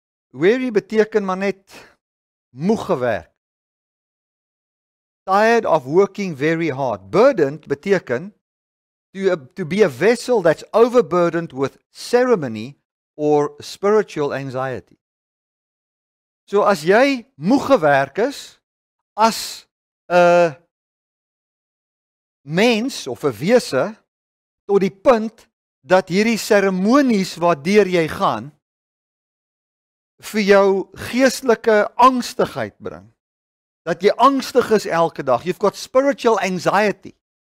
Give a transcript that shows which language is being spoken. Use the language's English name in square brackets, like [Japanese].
[Afrikaans] Weary beteken maar net moeg gewerk. [English] Tired of working very hard. Burdened beteken to be a vessel that's overburdened with ceremony or spiritual anxiety. [Afrikaans] So as jy moeg gewerk is, as 'n mens of 'n wese, tot die punt dat hierdie seremonies waardeur jy gaan, vir jou geestelike angstigheid bring, dat jy angstig is elke dag, [English] you've got spiritual anxiety.